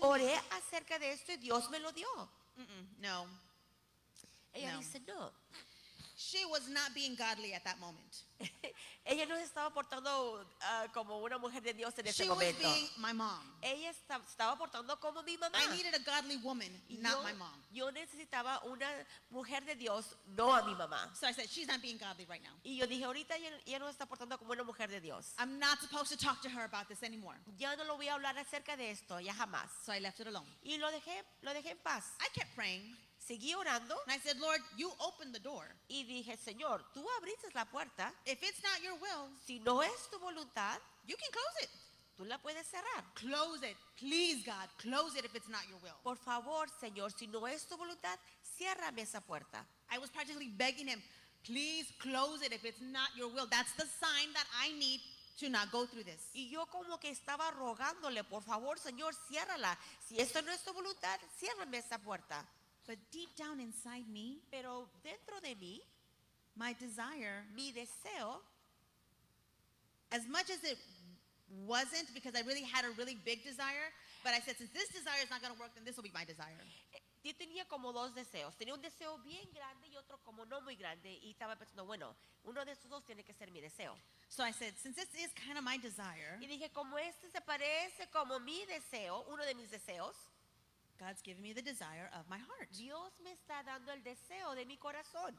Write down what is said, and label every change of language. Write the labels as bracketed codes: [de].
[es] Yo oré acerca de esto y Dios me lo dio. No. Ella dice no. [en] She was not being godly at that moment. [es] Ella no estaba portando como una mujer de Dios en ese [en] she [es] momento. [en] She was being my mom. [es] Ella estaba portando como mi mamá. [en] I needed a godly woman, not my mom. [es] Yo necesitaba una mujer de Dios, no a mi mamá. [en] So I said, she's not being godly right now. [es] Y yo dije, ahorita ella no está portando como una mujer de Dios. [en] I'm not supposed to talk to her about this anymore. [es] Ya no lo voy a hablar acerca de esto, ya jamás. [en] So I left it alone. [es] Y lo dejé en paz. [en] I kept praying. [es] Seguí orando. [en] And I said, Lord, you open the door. [es] Y dije, Señor, tú abriste la puerta. [en] If it's not your will, [es] si no es tu voluntad, [en] you can close it. [es] Tú la puedes cerrar. [en] Close it. Please, God, close it if it's not your will. [es] Por favor, Señor, si no es tu voluntad, ciérrame esa puerta. [en] I was practically begging him, please close it if it's not your will. That's the sign that I need to not go through this. [es] Y yo como que estaba rogándole, por favor, Señor, ciérrala. Si esto no es tu voluntad, ciérrame esa puerta. [en] But deep down inside me, [es] pero dentro de mí, [en] my desire, [es] mi deseo, [en] as much as it wasn't, because I really had a really big desire, but I said, since this desire is not going to work, then this will be my desire. [es] Yo tenía como dos deseos. Tenía un deseo bien grande y otro como no muy grande. Y estaba pensando, bueno, uno de esos dos tiene que ser mi deseo. [en] So I said, since this is kind of my desire, [es] y dije, como este se parece como mi deseo, uno de mis deseos, [en] God's giving me the desire of my heart. [es] Dios me está dando el deseo de mi corazón.